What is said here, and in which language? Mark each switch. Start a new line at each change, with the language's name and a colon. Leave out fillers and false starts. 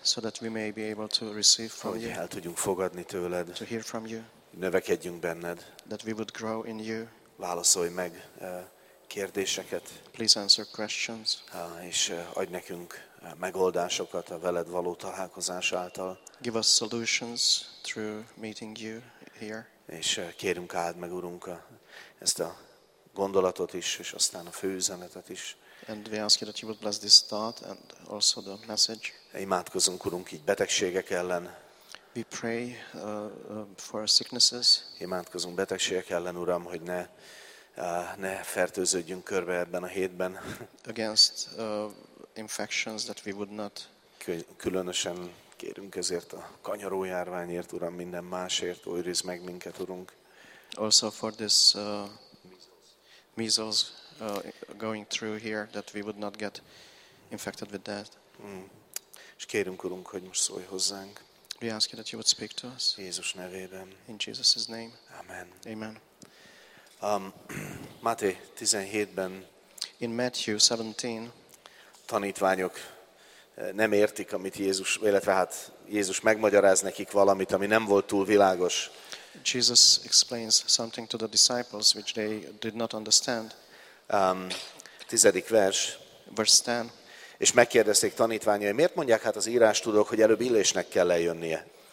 English: So that we may be able to receive from you.
Hungarian: El tudjunk fogadni tőled.
English: To hear from you.
Hungarian: Növekedjünk benned.
English: That we would grow in you.
Hungarian: Válaszolj meg kérdéseket.
English: Please answer questions.
Hungarian: És adj nekünk megoldásokat a veled való találkozás által.
English: Give us solutions through meeting you here.
Hungarian: És kérünk, áld meg, Urunk, ezt a gondolatot is, és aztán a főüzenetet is.
English: And we ask you that you would bless this thought and also the message.
Hungarian: Imádkozunk, Urunk, így betegségek ellen.
English: We pray for our sicknesses.
Hungarian: Imádkozunk betegségek ellen, Uram, hogy ne fertőződjünk körbe ebben a hétben.
English: Against infections that we would not.
Hungarian: Különösen kérünk ezért a kanyarójárványért, Uram, minden másért, őrizd meg minket, Urunk.
English: Also for this measles going through here that we would not get infected with that.
Hungarian: És kérünk, Urunk, hogy most szólj hozzánk.
English: We ask you that you would speak to us.
Hungarian: Jézus nevében.
English: In Jesus' name. Amen. Amen.
Hungarian: Máté 17-ben.
English: In Matthew 17.
Hungarian: Tanítványok nem értik, amit Jézus, illetve hát Jézus megmagyaráz nekik valamit, ami nem volt túl világos.
English: Jesus explains something to the disciples which they did not understand.
Hungarian: 10. vers.
English: Verse 10.
Hungarian: És megkérdezték tanítványai, miért mondják hát az írástudók, hogy előbb Illésnek kell lejönnie?